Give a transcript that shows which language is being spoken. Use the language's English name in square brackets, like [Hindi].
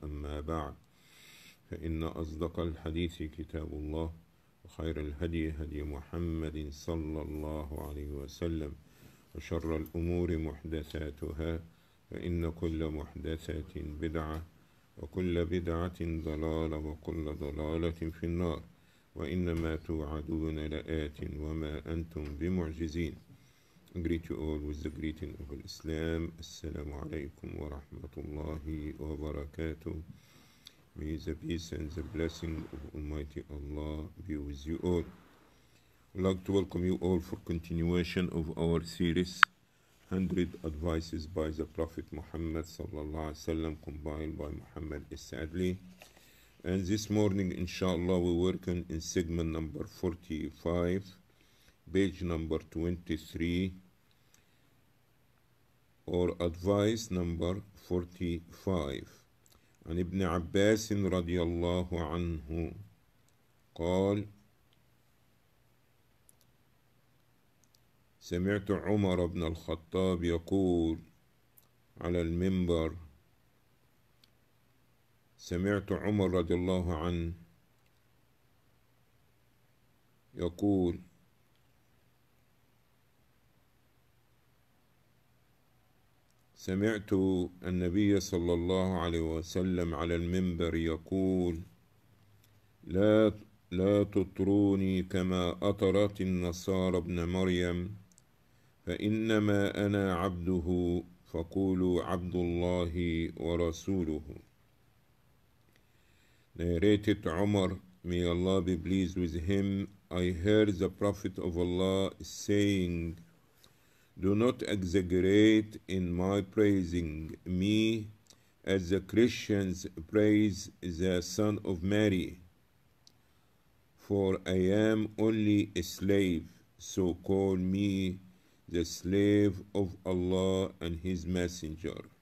[Arabic] أما بعد، فإن أصدق الحديث كتاب الله، وخير الهدي هدي محمد صلى الله عليه وسلم، وشر الأمور محدثاتها، فإن كل محدثة بدعة، وكل بدعة ضلالة، وكل ضلالة في النار، وإنما توعدون لآت وما أنتم بمعجزين. [English] Greet you all with the greeting of Islam. [Arabic] السلام عليكم ورحمة الله وبركاته. [English] May the peace and the blessing of Almighty Allah be with you all. I'd like to welcome you all for continuation of our series 100 Advices by the Prophet Muhammad [Arabic] صلى الله عليه وسلم [English] compiled by Muhammad Al-Sa'dli. And this morning, inshallah, we're working in segment number 45, page number 23, or advice number 45. [Arabic] عن ابن عباس رضي الله عنه قال سمعت عمر بن الخطاب يقول على المنبر سمعت عمر رضي الله عنه يقول سمعت النبي صلى الله عليه وسلم على المنبر يقول لا تطروني كما أطرت النصارى ابن مريم، فإنما أنا عبده، فقولوا عبد الله ورسوله. [English] Narrated Umar, may Allah be pleased with him, I heard the Prophet of Allah saying, do not exaggerate in my praising me as the Christians praise the Son of Mary, for I am only a slave, so call me the slave of Allah and His Messenger.